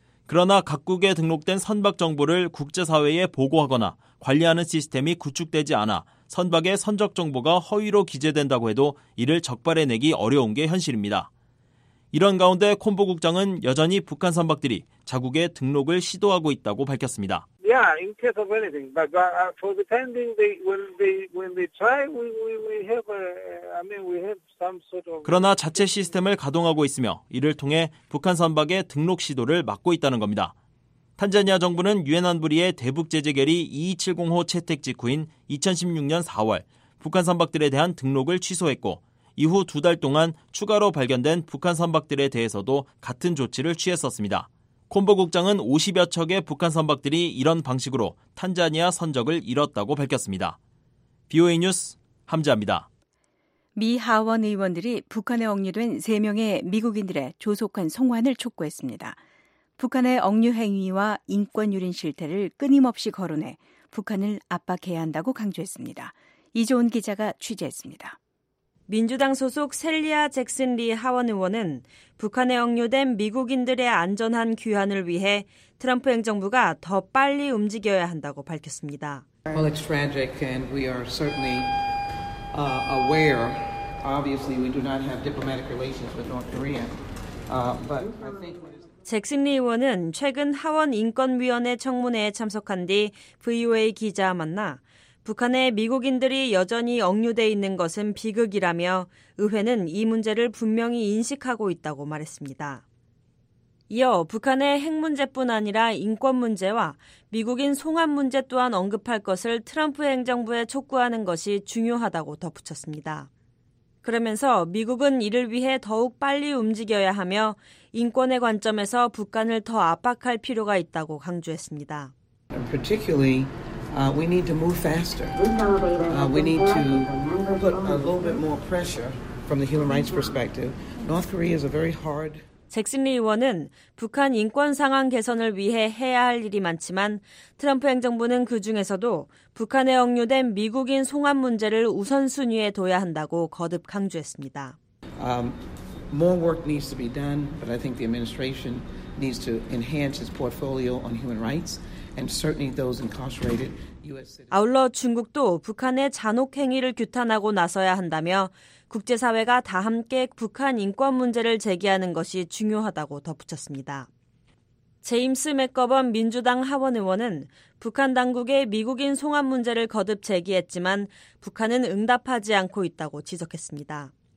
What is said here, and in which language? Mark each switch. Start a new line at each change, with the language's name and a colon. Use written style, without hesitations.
Korean: 그러나 각국에 등록된 선박 정보를 국제사회에 보고하거나 관리하는 시스템이 구축되지 않아 선박의 선적 정보가 허위로 기재된다고 해도 이를 적발해내기 어려운 게 현실입니다. 이런 가운데 콤보 국장은 여전히 북한 선박들이 자국에 등록을 시도하고 있다고 밝혔습니다.
English: Yeah, in case of anything. But for the time being, when they try, we have some sort of.
Korean: 그러나 자체 시스템을 가동하고 있으며 이를 통해 북한 선박의 등록 시도를 막고 있다는 겁니다. 탄자니아 정부는 유엔 안보리의 대북 제재 결의 2270호 채택 직후인 2016년 4월 북한 선박들에 대한 등록을 취소했고 이후 두 달 동안 추가로 발견된 북한 선박들에 대해서도 같은 조치를 취했었습니다. 콤보 국장은 50여 척의 북한 선박들이 이런 방식으로 탄자니아 선적을 잃었다고 밝혔습니다. BOA 뉴스 함지아입니다. 미 하원 의원들이 북한에 억류된 3명의 미국인들의 조속한 송환을 촉구했습니다. 북한의 억류 행위와 인권 유린 실태를 끊임없이 거론해 북한을 압박해야 한다고 강조했습니다. 이재훈 기자가 취재했습니다. 민주당 소속 셀리아 잭슨 리 하원 의원은 북한에 억류된 미국인들의 안전한 귀환을 위해 트럼프 행정부가 더 빨리 움직여야 한다고 밝혔습니다.
English: Well, it's tragic and we are certainly aware. Obviously, we do not have diplomatic relations with North Korea. But I think
Korean: 잭슨 리 의원은 최근 하원 인권위원회 청문회에 참석한 뒤 VOA 기자와 만나 북한에 미국인들이 여전히 억류돼 있는 것은 비극이라며 의회는 이 문제를 분명히 인식하고 있다고 말했습니다. 이어 북한의 핵 문제뿐 아니라 인권 문제와 미국인 송환 문제 또한 언급할 것을 트럼프 행정부에 촉구하는 것이 중요하다고 덧붙였습니다. 그러면서 미국은 이를 위해 더욱 빨리 움직여야 하며 인권의 관점에서 북한을 더 압박할 필요가 있다고 강조했습니다.
English: Particularly, we need to move faster. We need to put a little bit more pressure from the human rights perspective. North Korea is a very hard.
Korean: 잭슨 리 의원은 북한 인권 상황 개선을 위해 해야 할 일이 많지만 트럼프 행정부는 그중에서도 북한에 억류된 미국인 송환 문제를 우선순위에 둬야 한다고 거듭 강조했습니다.
English: More work needs to be done, but I think the administration needs to enhance its portfolio on human rights and certainly those incarcerated US citizens.
Korean: 아울러 중국도 북한의 잔혹 행위를 규탄하고 나서야 한다며 국제사회가 다 함께 북한 인권 문제를 제기하는 것이 중요하다고 덧붙였습니다. 제임스 맥거번 민주당 하원 의원은 북한 당국의 미국인 송환 문제를 거듭 제기했지만 북한은 응답하지 않고 있다고 지적했습니다.